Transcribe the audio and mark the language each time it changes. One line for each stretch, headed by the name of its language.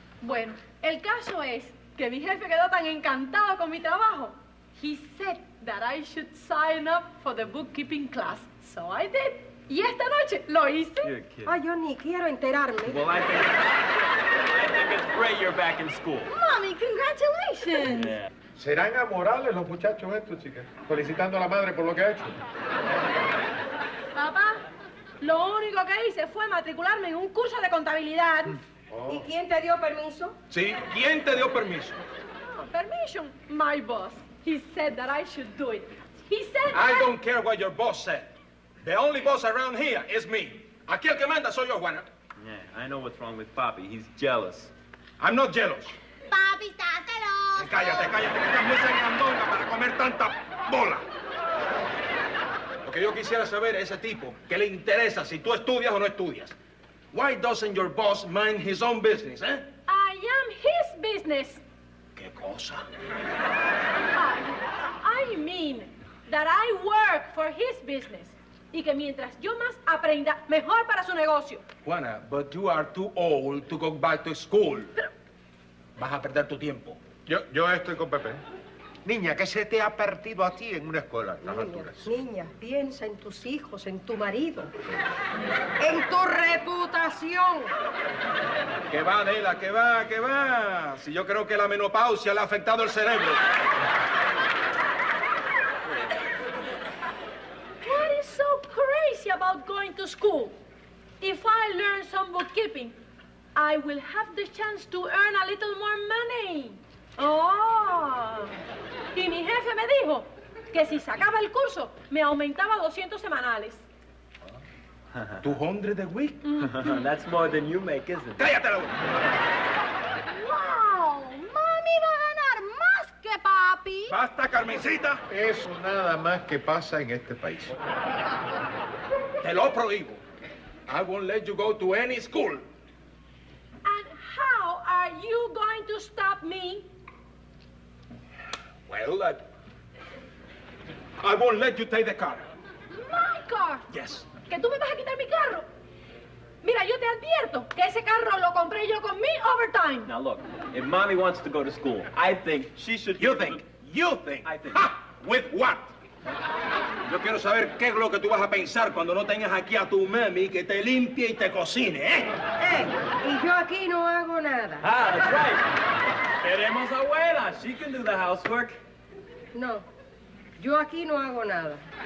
Spanish: Bueno, el caso es que mi jefe quedó tan encantado con mi trabajo.
English: He said that I should sign up for the bookkeeping class. So I did.
Spanish: ¿Y esta noche lo hice?
English: You're a kid.
Spanish: Ay, yo ni quiero enterarme.
English: Well, I think it's great you're back in school. Mommy, congratulations. Yeah.
Spanish: ¿Serán amorales los muchachos estos, chicas? Felicitando a la madre por lo que ha hecho. Papá, lo único que hice fue matricularme en un curso de contabilidad. Oh. ¿Y quién te dio permiso? Sí, ¿quién te dio permiso?
English: Oh, permission, my boss. He said that I should do it. He said I don't care what your boss said. The only boss around here is me.
Spanish: Aquí el que manda soy yo, Juana.
English: Yeah, I know what's wrong with Papi. He's jealous. I'm not jealous.
Spanish: Papi está celoso. Cállate, cállate, que estás muy sangrandona para comer tanta bola. Lo que yo quisiera saber es ese tipo, ¿qué le interesa si tú estudias o no estudias?
English: Why doesn't your boss mind his own business, eh? I am his business.
Spanish: ¿Qué cosa?
English: I mean that I work for his business.
Spanish: Y que mientras yo más aprenda, mejor para su negocio.
English: Juana, but you are too old to go back to school.
Spanish: Vas a perder tu tiempo. Yo estoy con Pepe. Niña, ¿qué se te ha perdido a ti en una escuela? Niña, niña, piensa en tus hijos, en tu marido, en tu reputación. ¿Qué va, Adela? ¿Qué va? ¿Qué va? Si yo creo que la menopausia le ha afectado el cerebro.
English: About going to school. If I learn some bookkeeping, I will have the chance to earn a little more money. Oh!
Spanish: Y mi jefe me dijo que si sacaba el curso, me aumentaba 200 semanales.
English: 200 a week? Mm-hmm. That's more than you make, isn't it?
Spanish: ¡Cállate! Wow! Mami va a ganar más que papi. ¡Basta, Carmencita! Eso nada más que pasa en este país. Te lo prohíbo.
English: I won't let you go to any school. And how are you going to stop me? Well, I won't let you take the car. My car? Yes.
Spanish: ¿Que tú me vas a quitar mi carro? Mira, yo te advierto que ese carro lo compré yo con mi overtime.
English: Now look, if mommy wants to go to school, I think she should... You think? You think. I think. Ha! With what?
Spanish: Yo quiero saber qué es lo que tú vas a pensar cuando no tengas aquí a tu mami que te limpie y te cocine, ¿eh? Hey, y yo aquí no hago nada.
English: Ah, that's right.
Spanish: Queremos abuela.
English: She can do the housework.
Spanish: No, yo aquí no hago nada.